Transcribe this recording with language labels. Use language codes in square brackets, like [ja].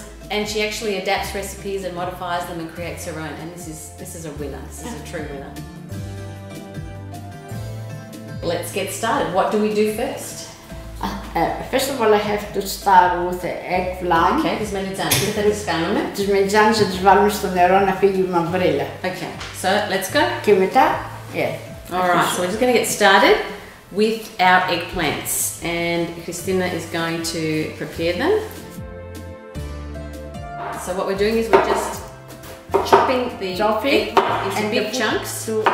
[en] And she actually adapts recipes and modifies them and creates her own. And this is a winner. This is a true winner. Let's get started. What do we do first? First of all, I have to start with the eggplant. [el] Okay, τις μελιτζάνες. Τι θέλεις κάνουμε? Τις μελιτζάνες θα τις βάλουμε στο νερό να φύγει η μαυρίλα. [en] Okay, so let's go. [el] Και μετά, [en] Alright, so we're just going to get started with our eggplants. And Christina is going to prepare them. So what we're doing is we're just chopping the eggplant into big chunks